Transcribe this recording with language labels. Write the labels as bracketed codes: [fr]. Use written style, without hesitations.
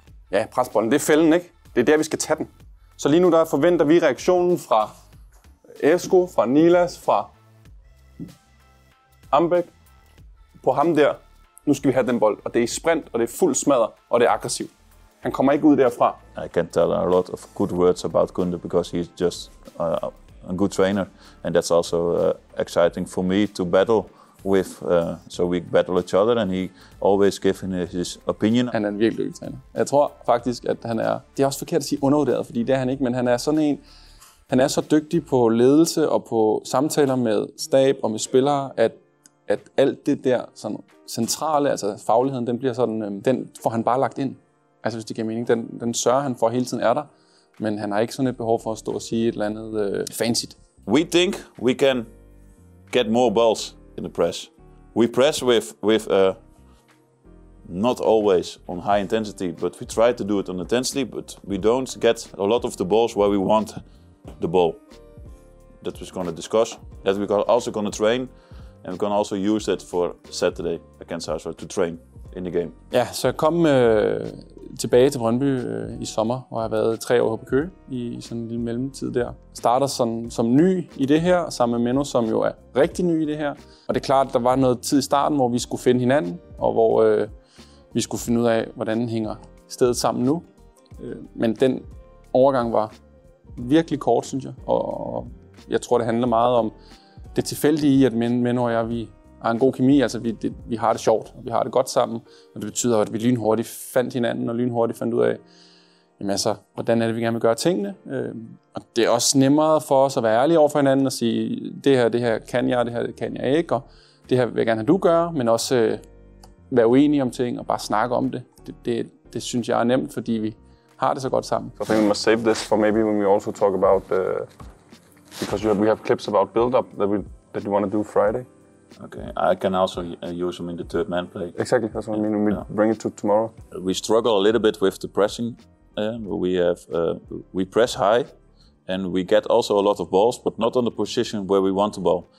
[da] Ja, presbolden, det er fælden, ikke? Det er der, vi skal tage den. Så lige nu der forventer vi reaktionen fra Esko, fra Nilas, fra Ambek på ham der. Nu skal vi have den bold, og det er sprint, og det er fuld smadder, og det er aggressiv. Han kommer ikke ud derfra. [en] I can tell a lot of good words about Gunde, because he's just a good trainer. And that's also exciting for me to battle with. So we battle each other, and he always giving his opinion. [da] Han er en virkelig god trainer. Jeg tror faktisk, at han er, det er også forkert at sige undervurderet, fordi det er han ikke, men han er sådan en, han er så dygtig på ledelse og på samtaler med stab og med spillere, at alt det der sådan centrale, altså fagligheden, den bliver sådan, den får han bare lagt ind. Altså hvis det giver mening, den sørger han for hele tiden er der, men han har ikke sådan et behov for at stå og sige et eller andet fancy. [en] We think we can get more balls in the press. We press with not always on high intensity, but we try to do it on intensity, but we don't get a lot of the balls where we want the ball. That we're going to discuss. That we're also going to train. And we can also use it for Saturday against us, to train in the game. [da] Ja, så jeg kom tilbage til Brøndby i sommer, hvor jeg har været 3 år på Køge i sådan en lille mellemtid der. Starter som ny i det her, sammen med Menno, som jo er rigtig ny i det her. Og det er klart, at der var noget tid i starten, hvor vi skulle finde hinanden, og hvor vi skulle finde ud af, hvordan hænger stedet sammen nu. Men den overgang var virkelig kort, synes jeg. Og jeg tror, det handler meget om det tilfældige i, at Menno og jeg, vi har en god kemi, altså vi har det sjovt, og vi har det godt sammen, og det betyder, at vi lynhurtigt fandt hinanden, og lynhurtigt fandt ud af, jamen altså, hvordan er det, vi gerne vil gøre tingene. Og det er også nemmere for os at være ærlige over for hinanden og sige, det her kan jeg, det her kan jeg ikke, og det her vil jeg gerne have, du gøre, men også være uenige om ting og bare snakke om det. Det synes jeg er nemt, fordi vi har det så godt sammen. [en] I think we must save this for maybe when we also talk about because we have clips about build-up that you want to do Friday. Okay, I can also use them in the third man play. Exactly, that's what I mean. We'll bring it to tomorrow. We struggle a little bit with the pressing. We have we press high, and we get also a lot of balls, but not on the position where we want the ball.